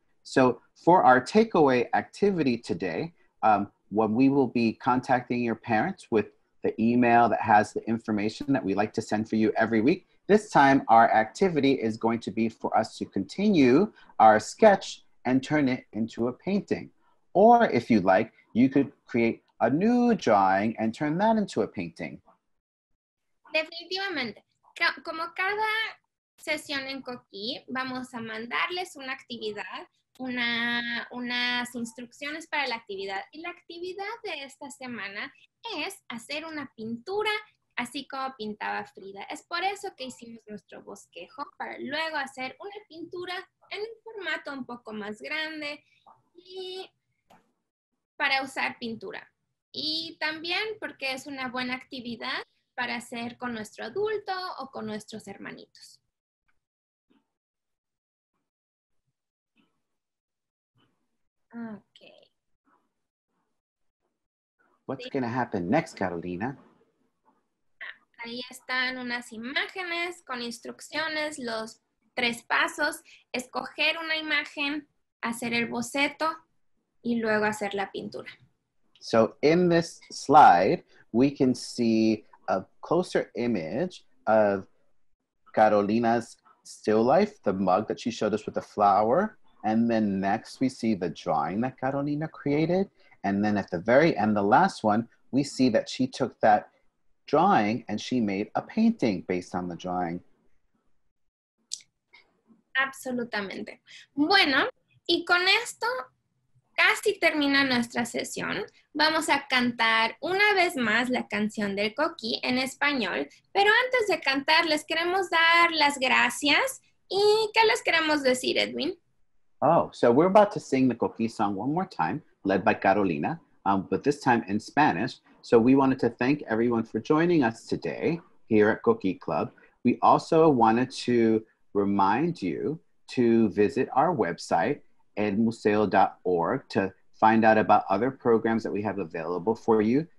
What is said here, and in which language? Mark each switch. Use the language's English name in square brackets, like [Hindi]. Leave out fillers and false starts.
[English] So for our takeaway activity today, when we will be contacting your parents with the email that has the information that we like to send for you every week, this time our activity is going to be for us to continue our sketch and turn it into a painting. Or if you'd like, you could create a new drawing and turn that into a painting. [Spanish] Definitivamente. Como cada sesión en Coqui, vamos a mandarles una actividad. Unas instrucciones para la actividad. Y la actividad de esta semana es hacer una pintura así como pintaba Frida. Es por eso que hicimos nuestro bosquejo, para luego hacer una pintura en un formato un poco más grande y para usar pintura. Y también porque es una buena actividad para hacer con nuestro adulto o con nuestros hermanitos. [English] Okay. What's going to happen next, Carolina? [Spanish] Ahí están unas imágenes con instrucciones, los tres pasos, escoger una imagen, hacer el boceto, y luego hacer la pintura. [English] So in this slide, we can see a closer image of Carolina's still life, the mug that she showed us with the flower. And then next we see the drawing that Carolina created. And then at the very end, the last one, we see that she took that drawing and she made a painting based on the drawing. [Spanish] Absolutamente. Bueno, y con esto casi termina nuestra sesión. Vamos a cantar una vez más la canción del Coqui en español. Pero antes de cantar, les queremos dar las gracias. ¿Y qué les queremos decir, Edwin? [English] Oh, so we're about to sing the Coqui song one more time, led by Carolina, but this time in Spanish. So we wanted to thank everyone for joining us today here at Coqui Club. We also wanted to remind you to visit our website, edmuseo.org, to find out about other programs that we have available for you.